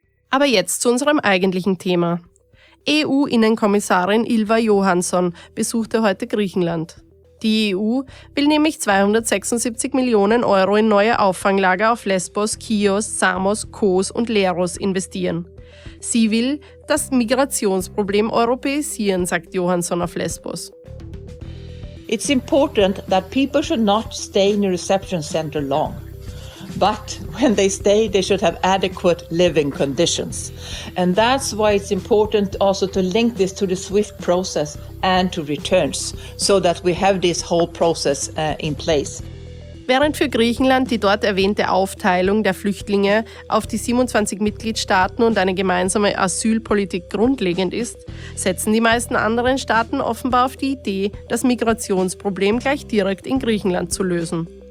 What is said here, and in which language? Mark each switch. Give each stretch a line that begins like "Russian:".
German: Aber jetzt zu unserem eigentlichen Thema. EU-Innenkommissarin Ylva Johansson besuchte heute Griechenland. Die EU will nämlich 276 Millionen Euro in neue Auffanglager auf Lesbos, Chios, Samos, Kos und Leros investieren. Sie will das Migrationsproblem europäisieren, sagt Johansson auf Lesbos.
English: It's important that people should not stay in a reception center long. But when they stay, they should have adequate living conditions. And that's why it's important also to link this to the SWIFT process and to returns, so that we have this whole process in place.
German: Während für Griechenland die dort erwähnte Aufteilung der Flüchtlinge auf die 27 Mitgliedstaaten und eine gemeinsame Asylpolitik grundlegend ist, setzen die meisten anderen Staaten offenbar auf die Idee, das Migrationsproblem gleich direkt in Griechenland zu lösen.